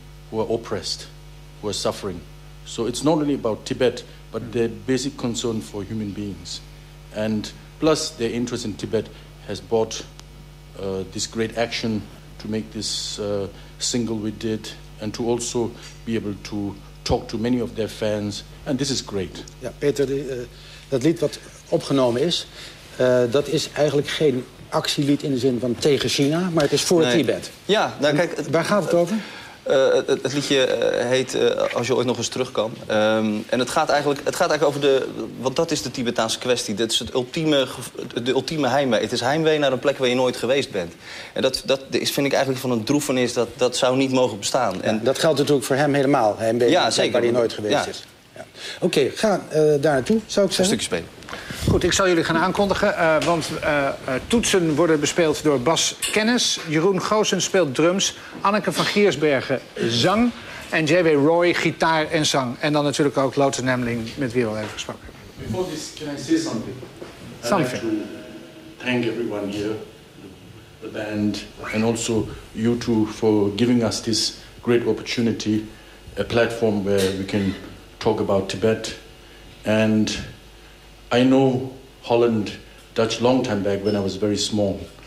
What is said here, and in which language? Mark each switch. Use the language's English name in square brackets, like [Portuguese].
[English] Who are suffering. So it's not only about Tibet, but their basic concern for human beings. And plus their interest in Tibet has brought this great action to make this single we did, and to also be able to talk to many of their fans. And this is great. [Dutch] Ja, Peter, dat lied wat opgenomen is, dat is eigenlijk geen actielied in de zin van tegen China, maar het is voor Tibet. Ja, nou, kijk, waar gaat het over? Het liedje heet Als je ooit nog eens terug kan. En het gaat eigenlijk over de... Want dat is de Tibetaanse kwestie. Dat is de ultieme heimwee. Het is heimwee naar een plek waar je nooit geweest bent. En dat is, vind ik eigenlijk van een droefenis. Dat zou niet mogen bestaan. En dat geldt natuurlijk voor hem helemaal. Heimwee naar een plek waar hij nooit geweest is. Ja. Oké, ga daar naartoe, zou ik zeggen. Een stukje spelen. Goed, ik zal jullie gaan aankondigen. Want toetsen worden bespeeld door Bas Kennis. Jeroen Goossen speelt drums. Anneke van Giersbergen zang. En J.W. Roy gitaar en zang. En dan natuurlijk ook Lothen Namling, met wie we al even gesproken hebben. [English] Before this, can I say something? Something. I'd like to thank everyone here, the band, and also you two for giving us this great opportunity. A platform where we can talk about Tibet. And I know Holland Dutch long time back when I was very small.